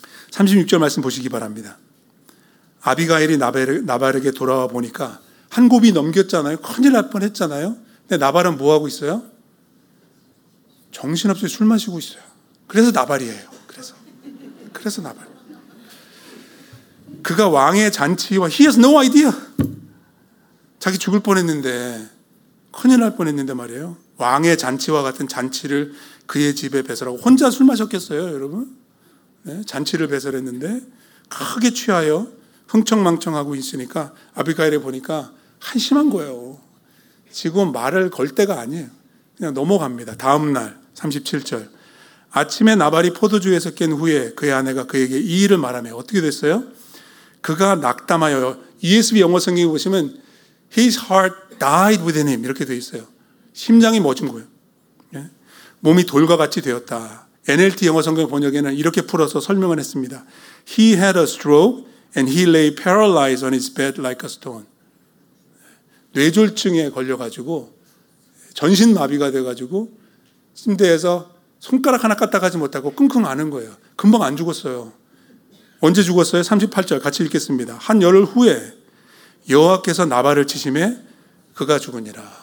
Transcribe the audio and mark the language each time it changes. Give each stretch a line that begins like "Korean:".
Korean: 36절 말씀 보시기 바랍니다. 아비가엘이 나발에게 돌아와 보니까 한 곱이 넘겼잖아요. 큰일 날 뻔했잖아요. 근데 나발은 뭐하고 있어요? 정신없이 술 마시고 있어요. 그래서 나발이에요. 그래서 나발. 그가 왕의 잔치와
English: He has no idea.
Korean: 자기 죽을 뻔했는데 큰일 날 뻔했는데 말이에요. 왕의 잔치와 같은 잔치를 그의 집에 배설하고 혼자 술 마셨겠어요, 여러분? 잔치를 배설했는데 크게 취하여 흥청망청하고 있으니까 아비가일에 보니까 한심한 거예요. 지금 말을 걸 때가 아니에요. 그냥 넘어갑니다. 다음날 37절 아침에 나발이 포도주에서 깬 후에 그의 아내가 그에게 이 일을 말하며 어떻게 됐어요? 그가 낙담하여 ESV 영어 성경에 보시면
English: His heart died within him
Korean: 이렇게 되어 있어요. 심장이 멎은 거예요. 몸이 돌과 같이 되었다. NLT 영어 성경 번역에는 이렇게 풀어서 설명을 했습니다.
English: He had a stroke and he lay paralyzed on his bed like a stone.
Korean: 뇌졸중에 걸려가지고 전신마비가 돼가지고 침대에서 손가락 하나 까딱하지 못하고 끙끙 아는 거예요. 금방 안 죽었어요. 언제 죽었어요? 38절 같이 읽겠습니다. 한 열흘 후에 여호와께서 나발을 치심에 그가 죽으니라.